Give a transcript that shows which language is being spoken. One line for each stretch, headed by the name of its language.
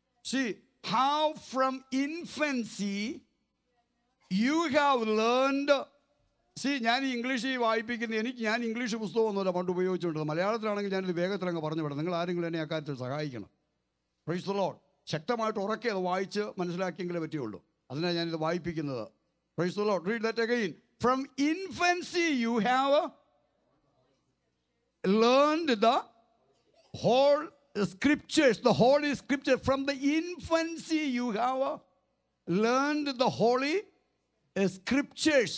English: See, how from infancy you have learned.
Malayalam: See, ഞാൻ English വായിപ്പിക്കുന്നത് എനിക്ക് ഞാൻ ഇംഗ്ലീഷ് പുസ്തകം ഒന്നുമല്ല പണ്ട് ഉപയോഗിച്ചുകൊണ്ടത്. മലയാളത്തിലാണെങ്കിൽ ഞാനിത് വേഗത്തിൽ അങ്ങ് പറഞ്ഞു വിടാം. നിങ്ങൾ ആരെങ്കിലും എന്നെ അക്കാര്യത്തിൽ സഹായിക്കണം.
English: Praise the Lord.
Malayalam: ശക്തമായിട്ട് ഉറക്കെ അത് വായിച്ച് മനസ്സിലാക്കിയെങ്കിലേ പറ്റുള്ളൂ. അതിനാണ് ഞാനിത് വായിപ്പിക്കുന്നത്.
English: Praise the Lord. Read that again. From infancy you have learned the whole scriptures, the holy scripture. From the infancy you have learned the holy scriptures.